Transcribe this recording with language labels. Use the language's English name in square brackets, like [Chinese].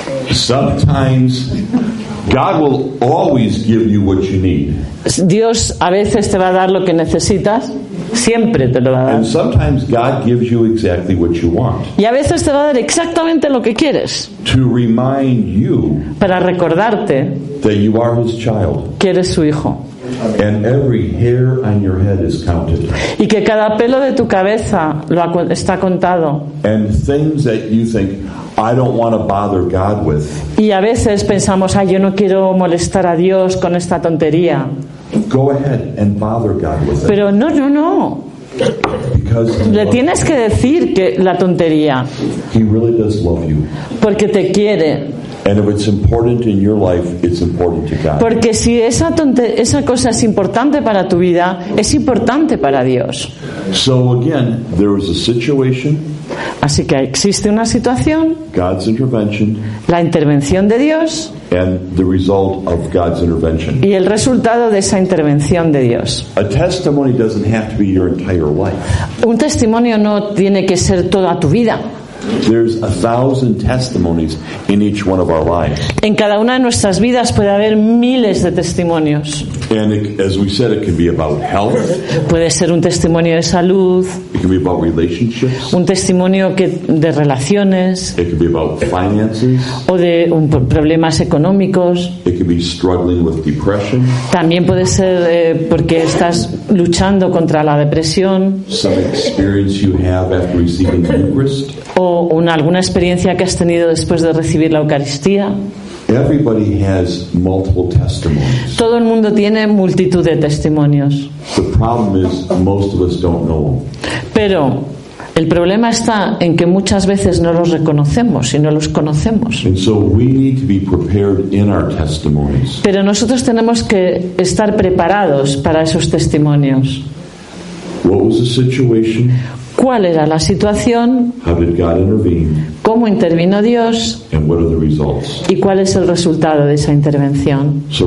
[English] Sometimes God will always give you what you need. [Spanish] Dios a veces te va a dar lo que necesitas. Siempre te lo va a dar. [English] And sometimes God gives you exactly what you want. [Spanish] Y a veces te va a dar exactamente lo que quieres. [English] To remind you. [Spanish] Para recordarte. [English] That you are his child. [Spanish] Que eres su hijo. [English] And every hair on your head is counted. [Spanish] Y que cada pelo de tu cabeza está contado. [English] And things that you think I don't want to bother God with. [Spanish] Y a veces pensamos, ay, yo no quiero molestar a Dios con esta tontería. [English] Go ahead and bother God with it. [Spanish] Pero no. [English] Because [Spanish] le tienes que decir que la tontería. [English] He really does love you. [Spanish] Porque te quiere. [English] And if it's important in your life, it's important to God. [Spanish] Porque si esa cosa es importante para tu vida, es importante para Dios. [English] So again, there is a situation. [Spanish] Así que existe una situación. [English] God's intervention. [Spanish] La intervención de Dios. [English] And the result of God's intervention. [Spanish] Y el resultado de esa intervención de Dios. [English] A testimony doesn't have to be your entire life. [Spanish] Un testimonio no tiene que ser toda tu vida. [English] There's 1,000 testimonies in each one of our lives. [Spanish] En cada una de nuestras vidas puede haber miles de testimonios. [English] And it, as we said, it can be about health. [Spanish] Puede ser un testimonio de salud. [English] It can be about relationships. [Spanish] Un testimonio de relaciones. [English] It can be about finances. [Spanish] O de problemas económicos. [English] It can be struggling with depression. [Spanish] También puede ser porque estás luchando contra la depresión. [English] Some experience you have after receiving the Eucharist. [Spanish] O alguna experiencia que has tenido después de recibir la Eucaristía. [English] Everybody has multiple testimonies. [Spanish] Todo el mundo tiene multitud de testimonios. [English] The problem is most of us don't know them. [Spanish] Pero el problema está en que muchas veces no los reconocemos y no los conocemos. [English] And so we need to be prepared in our testimonies. [Spanish] Pero nosotros tenemos que estar preparados para esos testimonios. [English] What was the situation? [Spanish] ¿Cuál era la situación? [English] How did God intervene? [Spanish] ¿Cómo intervino Dios? [English] And what are the results? [Spanish] ¿Y cuál es el resultado de esa intervención?